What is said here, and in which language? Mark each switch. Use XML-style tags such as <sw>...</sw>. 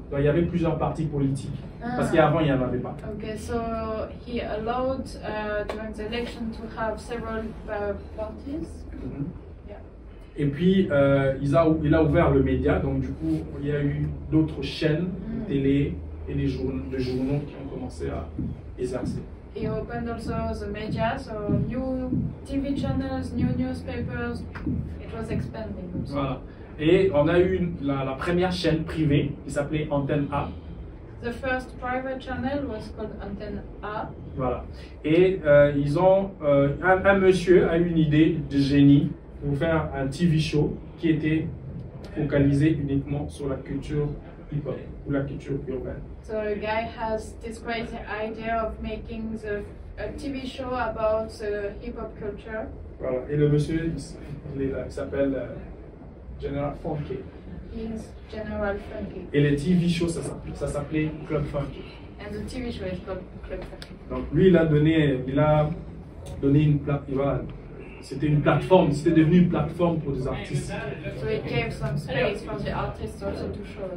<fr>Donc, il y avait plusieurs partis politiques. Ah. Parce qu'avant il n'y en avait pas.</fr> <en>Okay, so he allowed during the election to have several parties.</en> <fr>Et puis il a ouvert le média, donc du coup il y a eu d'autres chaînes télé et les journaux qui ont commencé à exercer.</fr> <en>He opened also the media, so new TV channels, new newspapers. It was expanding. Also. Voilà.</en> <fr>Et on a eu la première chaîne privée qui s'appelait Antenne A.</fr> <en>The first private channel was called Antenne A. Voilà.</en> <fr>Et ils ont un monsieur a eu une idée de génie. Pour faire un TV show qui était focalisé uniquement sur la culture hip hop ou la culture urbaine.</fr> <en>So a guy has this crazy idea of making a TV show about hip hop culture.</en> <fr>Voilà. Et le monsieur, il s'appelle General Funky.</fr> <en>He's General Funky.</en> <fr>Et le TV show, ça s'appelait Club Funky.</fr> <en>And the TV show is called Club Funky.</en> <fr>Donc lui, il a donné une plateforme. Voilà. C'était une plateforme, c'était devenu une plateforme pour les artistes.</fr> <en>So it gave some space for the artists also to show.</en>